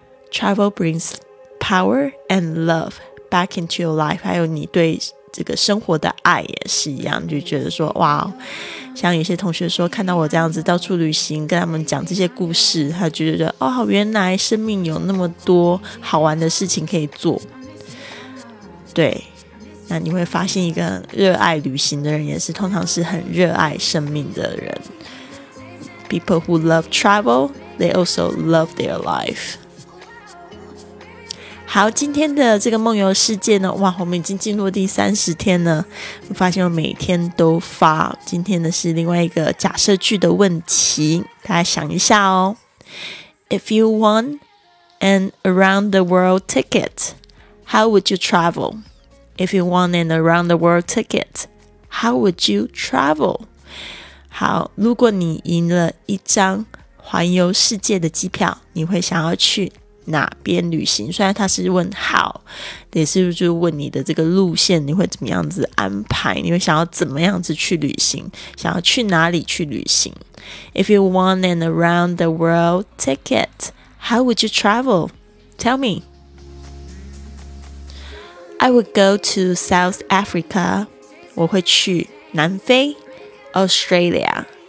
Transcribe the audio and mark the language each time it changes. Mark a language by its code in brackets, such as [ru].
[en] Travel brings power and love back into your life， [zh] 还有你对这个生活的爱也是一样，就觉得说哇，像有些同学说看到我这样子到处旅行跟他们讲这些故事，他就觉得哦，原来生命有那么多好玩的事情可以做。对，那你会发现一个热爱旅行的人也是通常是很热爱生命的人。 [en] People who love travel they also love their life。 [zh] 好，今天的这个梦游世界呢，哇，我们已经进入第30天了。我发现我每天都发，今天的是另外一个假设句的问题，大家想一下哦。 [en] If you won an around the world ticket how would you travelIf you want an around the world ticket, how would you travel? [zh] 好，如果你赢了一张环游世界的机票，你会想要去哪边旅行？虽然他是问 how， 也是就问你的这个路线，你会怎么样子安排？你会想要怎么样子去旅行？想要去哪里去旅行？ [en] If you want an around the world ticket, how would you travel? Tell me. I would go to South Africa. [zh] 我会去南非 [en] Australia